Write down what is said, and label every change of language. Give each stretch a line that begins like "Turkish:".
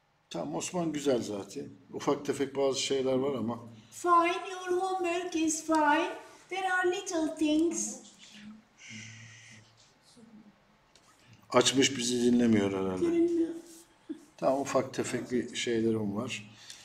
Turkish: Tamam, Osman güzel zaten. Ufak tefek bazı şeyler var ama.
English: Fine, your homework is fine. There are little things.
Turkish: Açmış bizi dinlemiyor herhalde. Tamam, ufak tefek bir şeylerim var.